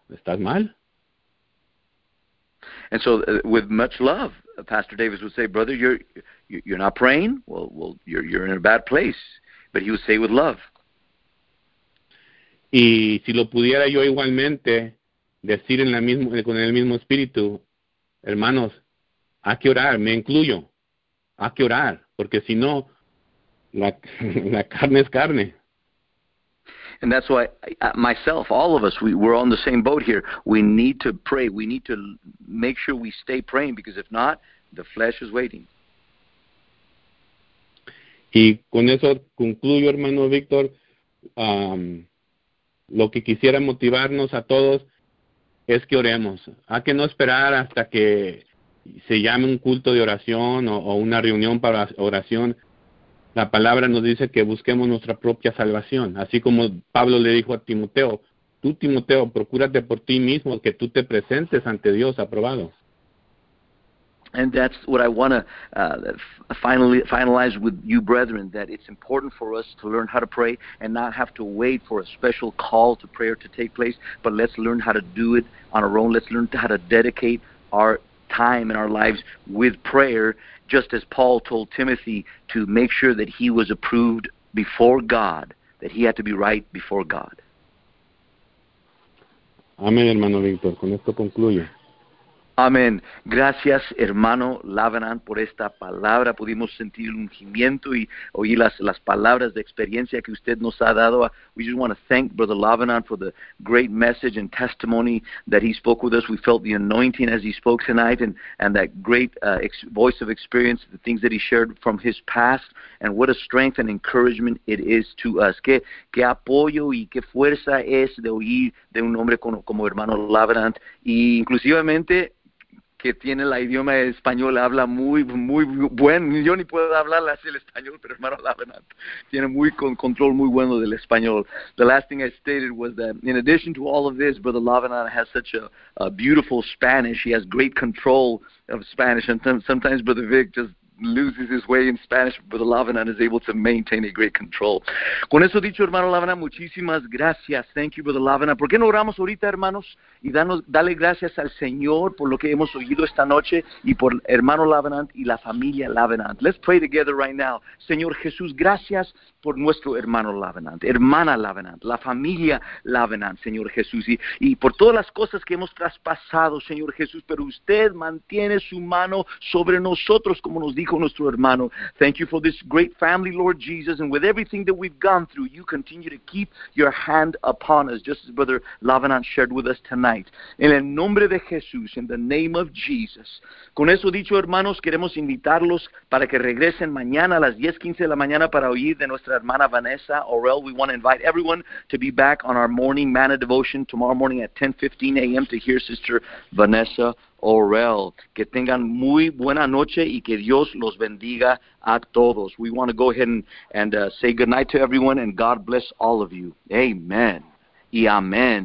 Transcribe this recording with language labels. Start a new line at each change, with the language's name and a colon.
Spanish: ¿Estás mal?
English: And so, with much love, Pastor Davis would say, brother, you're not praying? Well, you're in a bad place. But he would say with love.
Spanish: Y si lo pudiera yo igualmente decir en la mismo, con el mismo espíritu, hermanos, hay que orar, me incluyo. hay que orar, porque si no, la carne es carne.
English: And that's why myself, all of us, we're on the same boat here. We need to pray. We need to make sure we stay praying, because if not, the flesh is waiting.
Spanish: Y con eso concluyo, hermano Víctor. Lo que quisiera motivarnos a todos es que oremos. Hay que no esperar hasta que se llame un culto de oración o una reunión para oración. La palabra nos dice que busquemos nuestra propia salvación. Así como Pablo le dijo a Timoteo, tú, Timoteo, procúrate por ti mismo que tú te presentes ante Dios aprobado.
English: And that's what I want to finalize with you, brethren, that it's important for us to learn how to pray and not have to wait for a special call to prayer to take place, but let's learn how to do it on our own. Let's learn how to dedicate our time in our lives with prayer, just as Paul told Timothy to make sure that he was approved before God, that he had to be right before God.
Spanish: Amén, hermano Víctor. Con esto concluyo. Amén. Gracias, hermano Labran, por esta palabra. Pudimos sentir el ungimiento y oír las palabras de experiencia que usted nos ha dado.
English: We just want to thank Brother Labran for the great message and testimony that he spoke with us. We felt the anointing as he spoke tonight, and that great voice of experience, the things that he shared from his past, and what a strength and encouragement it is to us.
Spanish: Qué apoyo y qué fuerza es de oír de un hombre como hermano Labran, y inclusivamente que tiene el idioma español, habla muy, muy buen. Yo ni puedo hablarle así el español, pero hermano Labran tiene muy control muy bueno del español.
English: The last thing I stated was that, in addition to all of this, Brother Labran has such a beautiful Spanish. He has great control of Spanish, and sometimes Brother Vic just loses his way in Spanish, but the Labran is able to maintain a great control.
Spanish: Con eso dicho, hermano Labran, muchísimas gracias.
English: Thank you, Brother Labran.
Spanish: ¿Por qué no oramos ahorita, hermanos? Y dale gracias al Señor por lo que hemos oído esta noche y por hermano Labran y la familia Labran.
English: Let's pray together right now.
Spanish: Señor Jesús, gracias por nuestro hermano Labran, hermana Labran, la familia Labran, Señor Jesús. Y por todas las cosas que hemos traspasado, Señor Jesús, pero usted mantiene su mano sobre nosotros, como nos dijo nuestro hermano.
English: Thank you for this great family, Lord Jesus. And with everything that we've gone through, you continue to keep your hand upon us, just as Brother Labran shared with us tonight.
Spanish: En el nombre de Jesús,
English: in the name of Jesus.
Spanish: Con eso dicho, hermanos, queremos invitarlos para que regresen mañana a las 10:15 de la mañana para oír de nuestra hermana Vanessa Orell.
English: We want to invite everyone to be back on our morning manna devotion tomorrow morning at 10:15 a.m. to hear Sister Vanessa Orell.
Spanish: Que tengan muy buena noche y que Dios los bendiga a todos.
English: We want to go ahead and say good night to everyone, and God bless all of you. Amen.
Spanish: Y amén.